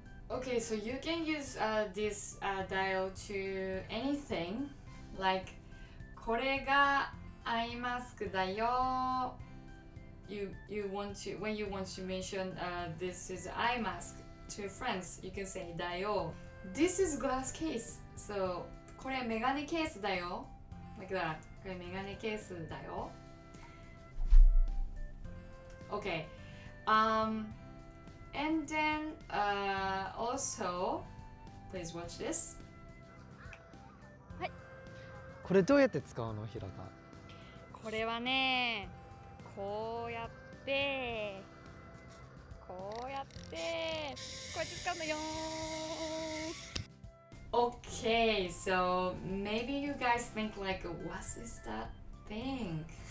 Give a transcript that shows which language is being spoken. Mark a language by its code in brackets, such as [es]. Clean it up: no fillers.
[en] Okay, so you can use this dial to anything, like [ja] これが eye mask だよ [en] when you want to mention this is eye mask to friends, you can say だよ. This is glass case. So [ja] これメガネケースだよ. [en] Like that. [ja] これメガネケースだよ. [en] Okay. And then also, please watch this. [ja] はい。これどうやって使うの、ひらが。これはね、こうやって、こうやって、こうやって使うのよ。 [en] Okay, so maybe you guys think like, what is that thing?